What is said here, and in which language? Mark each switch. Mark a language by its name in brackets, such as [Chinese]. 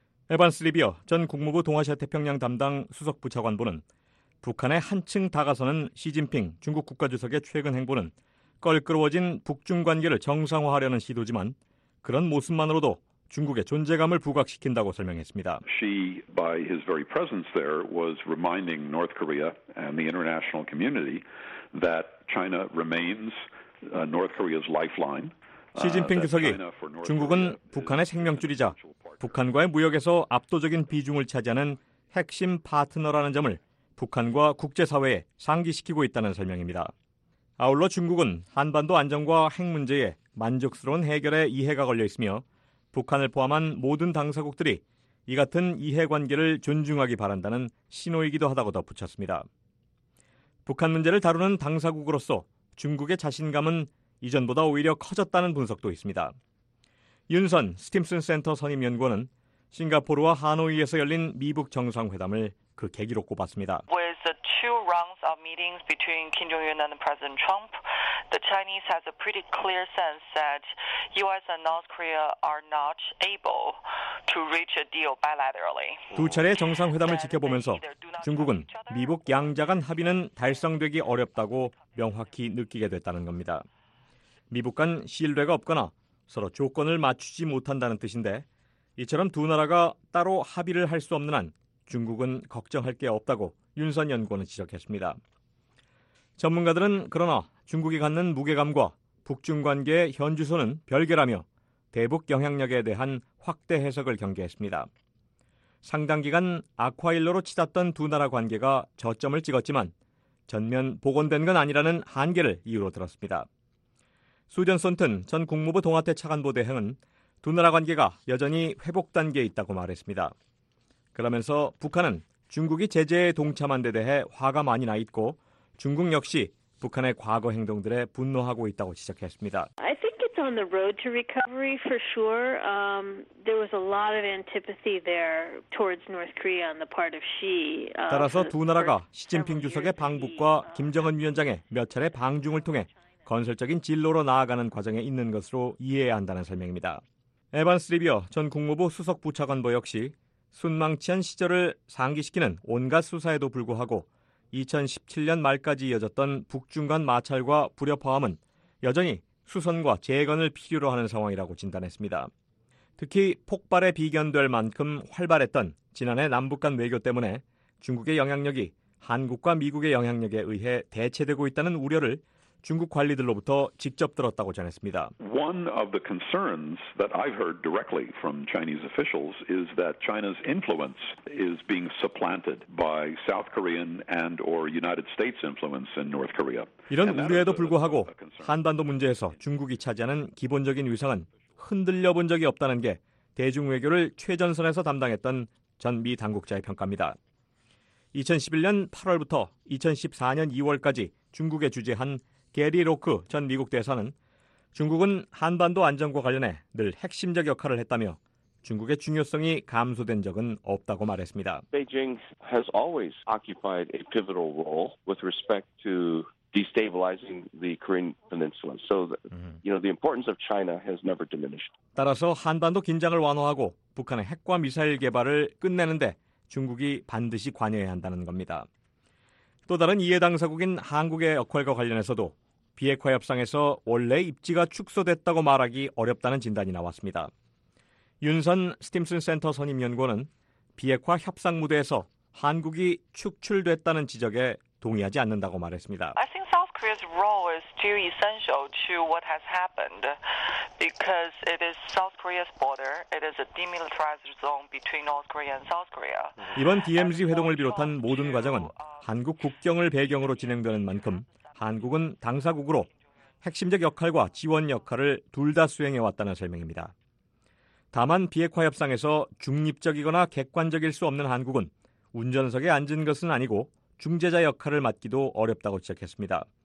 [Korean] 에반스 리비어 전 국무부 동아시아태평양 담당 수석부차관보는 북한에 한층 다가서는 시진핑 중국 국가주석의 최근 행보는 껄끄러워진 북중관계를 정상화하려는 시도지만 그런 모습만으로도 중국의 존재감을 부각시킨다고 설명했습니다. [English] She, by his very presence there, was reminding North Korea and the international community that China remains North Korea's lifeline. [Korean] 시진핑 주석이 중국은 북한의 생명줄이자 북한과의 무역에서 압도적인 비중을 차지하는 핵심 파트너라는 점을 북한과 국제사회에 상기시키고 있다는 설명입니다. 아울러 중국은 한반도 안정과 핵 문제에 만족스러운 해결의 이해가 걸려 있으며 북한을 포함한 모든 당사국들이 이 같은 이해관계를 존중하기 바란다는 신호이기도 하다고 덧붙였습니다. 북한 문제를 다루는 당사국으로서 중국의 자신감은 이전보다 오히려 커졌다는 분석도 있습니다. 윤선 스팀슨 센터 선임연구원은 싱가포르와 하노이에서 열린 미북 정상회담을 그 계기로 꼽았습니다. [English] With the two rounds of meetings between Kim Jong-un and President Trump, the Chinese has a pretty clear sense that U.S. and North Korea are not able to reach a deal bilaterally. [Korean] 두 차례 정상회담을 지켜보면서 중국은 미북 양자 간 합의는 달성되기 어렵다고 명확히 느끼게 됐다는 겁니다. 미북 간 신뢰가 없거나 서로 조건을 맞추지 못한다는 뜻인데 이처럼 두 나라가 따로 합의를 할 수 없는 한 중국은 걱정할 게 없다고 윤선 연구원은 지적했습니다. 전문가들은 그러나 중국이 갖는 무게감과 북중 관계의 현주소는 별개라며 대북 영향력에 대한 확대 해석을 경계했습니다. 상당 기간 악화일로로 치닫던 두 나라 관계가 저점을 찍었지만 전면 복원된 건 아니라는 한계를 이유로 들었습니다. 수전 손튼 전 국무부 동아태 차관보 대행은 두 나라 관계가 여전히 회복 단계에 있다고 말했습니다. 그러면서 북한은 중국이 제재에 동참한 데 대해 화가 많이 나 있고 중국 역시 북한의 과거 행동들에 분노하고 있다고 지적했습니다. [English] I think it's on the road to recovery for sure. There was a lot of antipathy there towards North Korea on the part of Xi. [Korean] 따라서 두 나라가 시진핑 주석의 방북과 김정은 위원장의 몇 차례 방중을 통해 건설적인 진로로 나아가는 과정에 있는 것으로 이해해야 한다는 설명입니다. 에반스 리비어 전 국무부 수석 부차관보 역시 순망치한 시절을 상기시키는 온갖 수사에도 불구하고 2017년 말까지 이어졌던 북중 간 마찰과 불협화음은 여전히 수선과 재건을 필요로 하는 상황이라고 진단했습니다. 특히 폭발에 비견될 만큼 활발했던 지난해 남북 간 외교 때문에 중국의 영향력이 한국과 미국의 영향력에 의해 대체되고 있다는 우려를 중국 관리들로부터 직접 들었다고 전했습니다. [English] One of the concerns that I've heard directly from Chinese officials is that China's influence is being supplanted by South Korean and or United States influence in North Korea. [Korean] 이런 우려에도 불구하고 한반도 문제에서 중국이 차지하는 기본적인 위상은 흔들려 본 적이 없다는 게 대중외교를 최전선에서 담당했던 전 미 당국자의 평가입니다. 2011년 8월부터 2014년 2월까지 중국에 주재한 게리 로크 전 미국 대사는 중국은 한반도 안전과 관련해 늘 핵심적 역할을 했다며 중국의 중요성이 감소된 적은 없다고 말했습니다. [English] Beijing has always occupied a pivotal role with respect to destabilizing the Korean Peninsula. So, you know, the importance of China has never diminished. [Korean] 따라서 한반도 긴장을 완화하고 북한의 핵과 미사일 개발을 끝내는 데 중국이 반드시 관여해야 한다는 겁니다. 또 다른 이해 당사국인 한국의 역할과 관련해서도 비핵화 협상에서 원래 입지가 축소됐다고 말하기 어렵다는 진단이 나왔습니다. 윤선 스팀슨 센터 선임연구원은 비핵화 협상 무대에서 한국이 축출됐다는 지적에 동의하지 않는다고 말했습니다. [English] I think South Korea's role is too essential to what has happened because it is South Korea's border. It is a demilitarized zone between North Korea and South Korea. [Korean] 이번 DMZ 회동을 비롯한 모든 과정은 한국 국경을 배경으로 진행되는 만큼 한국은 당사국으로 핵심적 역할과 지원 역할을 둘 다 수행해 왔다는 설명입니다. 다만 비핵화 협상에서 중립적이거나 객관적일 수 없는 한국은 운전석에 앉은 것은 아니고 중재자 역할을 맡기도 어렵다고 지적했습니다.